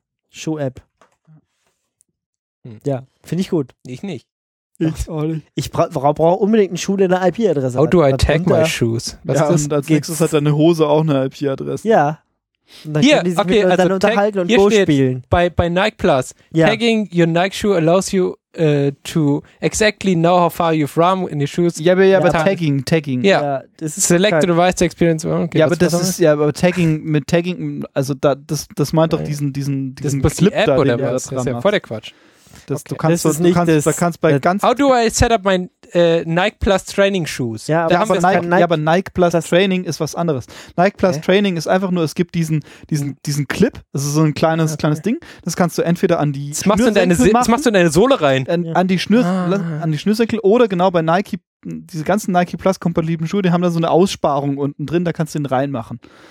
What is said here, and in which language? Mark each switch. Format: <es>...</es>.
<de>Schuh-App. Ja, finde ich gut. Ich nicht. Ich auch nicht. Ich brauche unbedingt einen Schuh, der eine IP-Adresse</de> <en>How</en> <de>hat.</de> <en>How do I tag my shoes?</en> <de>Was ja, ist das? Und als nächstes hat deine Hose auch eine IP-Adresse. Ja. Und dann hier, können die sich okay, also dann unterhalten und Go spielen. Bei Nike Plus. Ja.</de> <en>Tagging your Nike shoe allows you to exactly know how far you've run in your shoes.</en> <de>Ja, aber tagging.</de> <en>Yeah.</en> <de>Ja, das ist</de> <en>select the device to experience. Okay,</en> <de>ja, aber das ist ja, aber tagging mit tagging, also da, das meint doch diesen das Clip die App da, oder den was? Da das ist ja voll der Quatsch. Das, okay. Du kannst, das du, du kannst, das, da kannst bei ganz.</de> <en>How do I set up my Nike Plus Training Shoes?</en> <de>Ja, aber, ja, aber, Nike Nike Plus Training ist was anderes. Nike Plus Training ist einfach nur, es gibt diesen Clip, das ist so ein kleines Ding, das kannst du entweder an die Schnürsenkel machen, das machst du in deine Sohle rein. An die Schnürsenkel oder genau bei Nike, diese ganzen Nike Plus kompatiblen Schuhe, die haben da so eine Aussparung unten drin, da kannst du den reinmachen.</de>